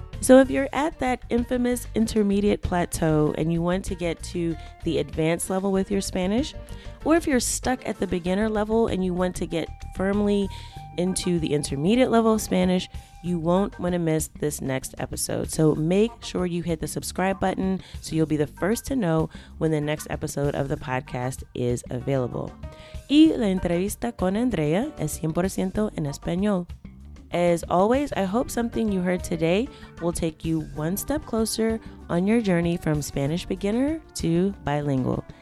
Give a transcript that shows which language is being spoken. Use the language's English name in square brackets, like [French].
[English] So if you're at that infamous intermediate plateau and you want to get to the advanced level with your Spanish, or if you're stuck at the beginner level and you want to get firmly into the intermediate level of Spanish, you won't want to miss this next episode. So make sure you hit the subscribe button so you'll be the first to know when the next episode of the podcast is available. [Spanish] Y la entrevista con Andrea es 100% en español. [English] As always, I hope something you heard today will take you one step closer on your journey from Spanish beginner to bilingual.